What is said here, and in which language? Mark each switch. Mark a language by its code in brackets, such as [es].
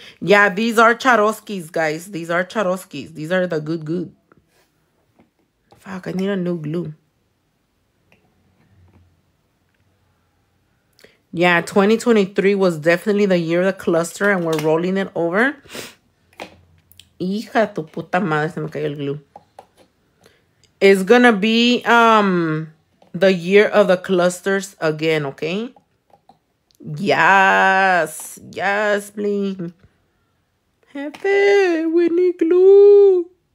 [en] Yeah, these are Charoskis, guys. These are Charoskis. These are the good, good. Fuck, I need a new glue. Yeah, 2023 was definitely the year of the cluster, and we're rolling it over. [es] Hija tu puta madre, se me cayó el glue. [en] It's gonna be the year of the clusters again, okay? Yes, yes, bling. Jefe, we need glue.